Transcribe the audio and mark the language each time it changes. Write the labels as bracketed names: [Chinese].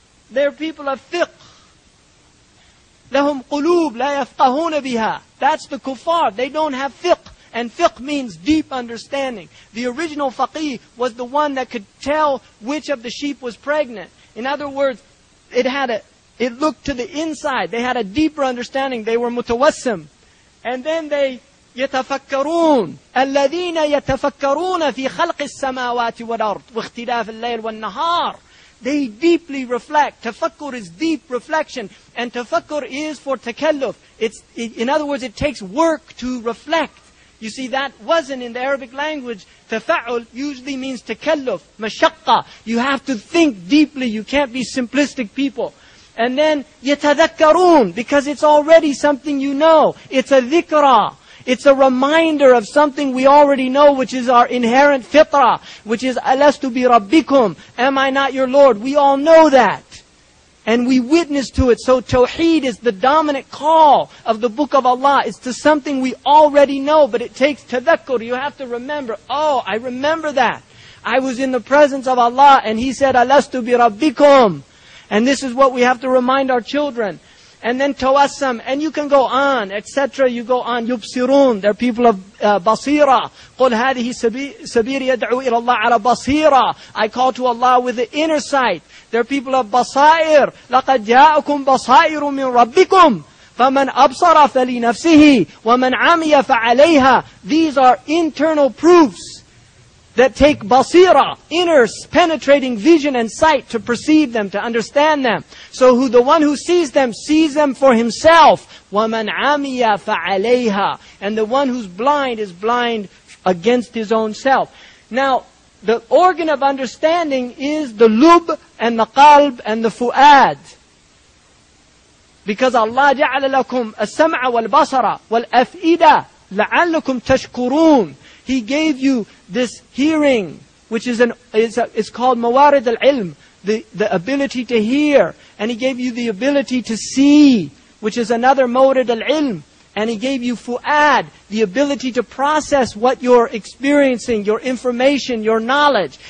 [English] They're people of fiqh. [Arabic] لَهُمْ قُلُوب لَا يَفْقَهُونَ بِهَا. [English] That's the kuffar. They don't have fiqh. And fiqh means deep understanding. The original faqih was the one that could tell which of the sheep was pregnant. In other words, it looked to the inside. They had a deeper understanding. They were mutawassim. And then they [Arabic] يَتَفَكَّرُونَ الَّذِينَ يَتَفَكَّرُونَ فِي خَلْقِ السَّمَاوَاتِ وَالْأَرْضِ وَاخْتِلَافِ اللَّيْلِ وَالنَّهَارِ. [English] They deeply reflect. Tafakkur is deep reflection. And tafakkur is for takalluf. In other words, it takes work to reflect. You see, that wasn't in the Arabic language. Tafa'ul usually means takalluf, mashaqqa. You have to think deeply. You can't be simplistic people. And then yatadhakkarun, because it's already something you know. It's a dhikra. It's a reminder of something we already know, which is our inherent fitrah, which is [Arabic] alastu bi rabbikum, [English] am I not your Lord? We all know that. And we witness to it. So tawheed is the dominant call of the book of Allah. It's to something we already know, but it takes tadhakkur. You have to remember, oh, I remember that. I was in the presence of Allah and He said, [Arabic] alastu bi rabbikum. [English] And this is what we have to remind our children. And then tawassam, and you can go on, etc. You go on, yubsirun, they're people of basira. [Arabic] قُلْ هَذِهِ سَبِيرِ يَدْعُوا إِلَى اللَّهِ عَلَى basira. [English] I call to Allah with the inner sight. They're people of basair. [Arabic] لَقَدْ جَاءُكُمْ بَصَائِرُ مِنْ رَبِّكُمْ فَمَنْ أَبْصَرَ فَلِنَفْسِهِ وَمَنْ عَمِيَ فَعَلَيْهَا. [English] These are internal proofs that take basira, inner penetrating vision and sight to perceive them, to understand them. So the one who sees them for himself. [Arabic] وَمَنْ عَمِيَ فَعَلَيْهَا. [English] And the one who's blind is blind against his own self. Now, the organ of understanding is the lub and the qalb and the fu'ad. Because Allah [Arabic] جَعَلَ لَكُمْ السَّمْعَ وَالْبَصَرَ وَالْأَفْئِدَ لَعَلَّكُمْ تَشْكُرُونَ. [English] He gave you this hearing, which is called mawarid al-ilm, the ability to hear. And He gave you the ability to see, which is another mawarid al-ilm. And He gave you fu'ad, the ability to process what you're experiencing, your information, your knowledge.